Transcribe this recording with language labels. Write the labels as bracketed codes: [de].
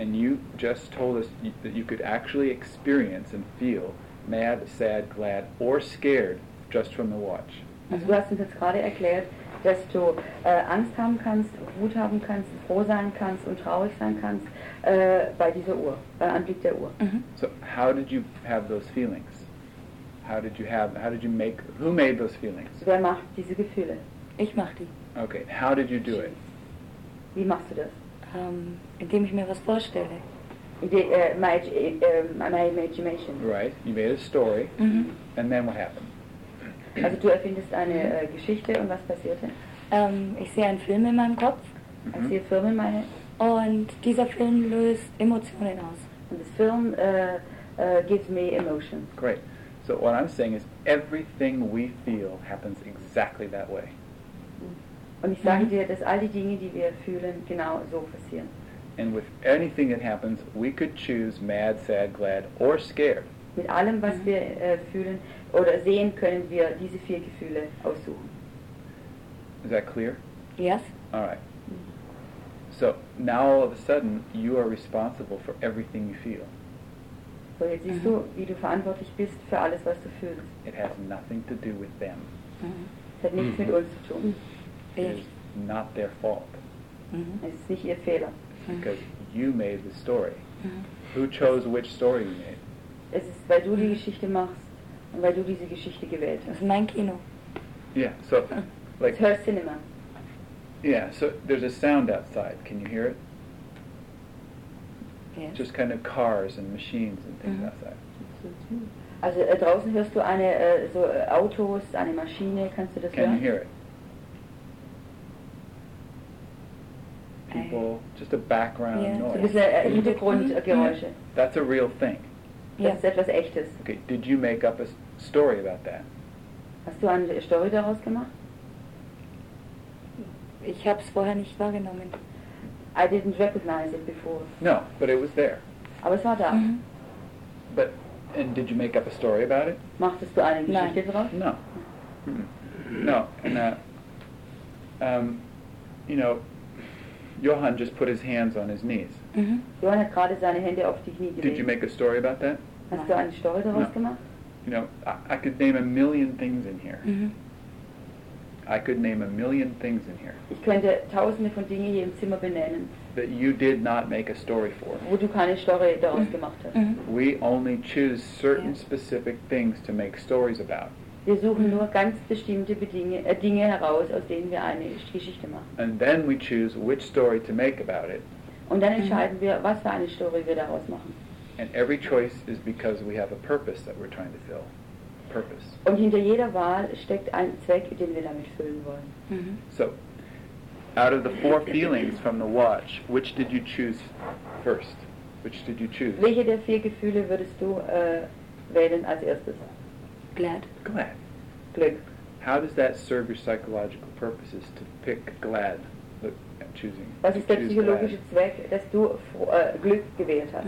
[en] And you just told us that you could actually experience and feel mad, sad, glad, or scared just from the watch. [de] Also, du hast uns jetzt gerade erklärt, dass du Angst haben kannst, Wut haben kannst, froh sein kannst und traurig sein kannst bei dieser Uhr, beim Anblick der Uhr. Mm-hmm. [en] So, how did you have those feelings? Who made those feelings? [de] Wer macht diese Gefühle? Ich mach die. [en] Okay, how did you do it? [de] Wie machst du das? Indem ich mir was vorstelle. [en] My imagination. Right, you made a story, mm-hmm. And then what happened? [de] Also du erfindest eine Geschichte und was passierte? Ich sehe einen Film in meinem Kopf. Mm-hmm. Ich sehe Filme in meinem Und dieser Film löst Emotionen aus. [en] And this film gives me emotion. Great. So what I'm saying is everything we feel happens exactly that way. [de] Und ich sage dir, dass all die Dinge, die wir fühlen, genau so passieren. [en] And with anything that happens, we could choose mad, sad, glad or scared. [de] Mit allem, was wir fühlen oder sehen, können wir diese vier Gefühle aussuchen. [en] Is that clear? Yes. All right. So now all of a sudden, you are responsible for everything you feel. [de] So jetzt siehst du, wie du verantwortlich bist für alles, was du fühlst. [en] It has nothing to do with them. [de] Es hat nichts mit uns zu tun. [en] It's not their fault. [de] Mm-hmm. Es ist nicht ihr Fehler. [en] Because you made the story. Mm-hmm. Who chose which story you made? [de] Es ist, weil du die Geschichte machst und weil du diese Geschichte gewählt hast. Das ist mein Kino. [en] Yeah, so, like... It's her cinema. Yeah, so there's a sound outside. Can you hear it? Yes. Just kind of cars and machines and things mm-hmm. outside. [de] Also draußen hörst du eine, so Autos, eine Maschine, kannst du das [en] hören? Can you hear it? People, just a background noise. [de] Ein Hintergrundgeräusche. [en] That's a real thing. [de] Yeah. Das ist etwas Echtes. [en] Okay, did you make up a story about that? [de] Hast du eine Story daraus gemacht? Ich habe es vorher nicht wahrgenommen. [en] I didn't recognize it before. No, but it was there. [de] Aber es war da. Mm-hmm. [en] But, and did you make up a story about it? [de] Machtest du eine Geschichte daraus? [en] No. Mm-hmm. No, and you know, Johann just put his hands on his knees. Mm-hmm. [de] Johann hat gerade seine Hände auf die Knie gelegt. [en] Did you make a story about that? [de] Hast du eine Story daraus gemacht? [en] You know, I could name a million things in here. Mm-hmm. I could name a million things in here. [de] Ich könnte tausende von Dingen hier im Zimmer benennen. [en] That you did not make a story for. [de] Wo du keine Story daraus gemacht hast. Mm-hmm. [en] We only choose certain specific things to make stories about. [de] Wir suchen nur ganz bestimmte Dinge heraus, aus denen wir eine Geschichte machen. [en] And then we choose which story to make about it. [de] Und dann entscheiden wir, was für eine Story wir daraus machen. [en] And every choice is because we have a purpose that we're trying to fill. Purpose. [de] Und hinter jeder Wahl steckt ein Zweck, den wir damit füllen wollen. Mm-hmm. [en] So, out of the four feelings from the watch, which did you choose first? Which did you choose? [de] Welche der vier Gefühle würdest du wählen als erstes? [en] Glad. Glad. [de] Glück. [en] How does that serve your psychological purposes to pick glad, choosing? [de] Was ist der psychologische Zweck, dass du Glück gewählt hast?